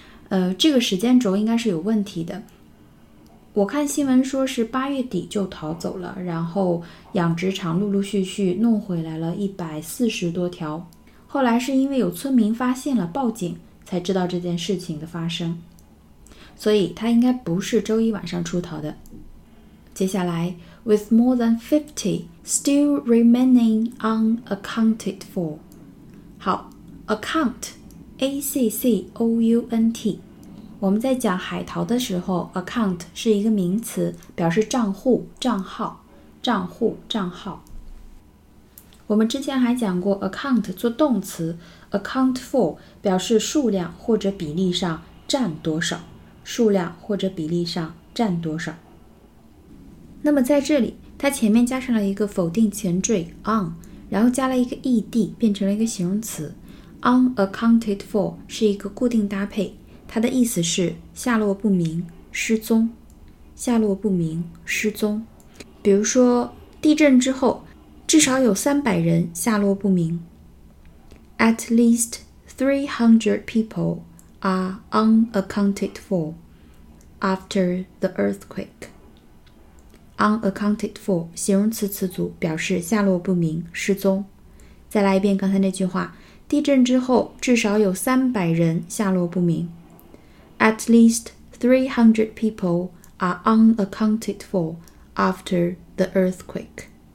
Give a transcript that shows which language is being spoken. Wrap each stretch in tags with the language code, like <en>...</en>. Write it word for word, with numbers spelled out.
<zh>呃，这个时间轴应该是有问题的。我看新闻说是八月底就逃走了，然后养殖场陆陆续续弄回来了一百四十多条。后来是因为有村民发现了报警，才知道这件事情的发生，所以它应该不是周一晚上出逃的。接下来</zh> <en>，with more than fifty still remaining unaccounted for。</en> <zh>好 ，account。A C C O U N T， 我们在讲海淘的时候 account 是一个名词，表示账户账号账户账号。我们之前还讲过 account 做动词，</zh> <en>account for</en> <zh>表示数量或者比例上占多少，数量或者比例上占多少。那么在这里它前面加上了一个否定前缀 on， 然后加了一个 ed 变成了一个形容词。</zh> <en>unaccounted for</en> <zh>是一个固定搭配，它的意思是下落不明失踪，下落不明失踪。比如说地震之后至少有三百人下落不明。</zh> <en>At least three hundred people are unaccounted for after the earthquake. Unaccounted for</en> <zh>形容词词组，表示下落不明失踪。再来一遍刚才那句话，地震之后至少有三百人下落不明。</zh> <en>At least three hundred people are unaccounted for after the earthquake.</en>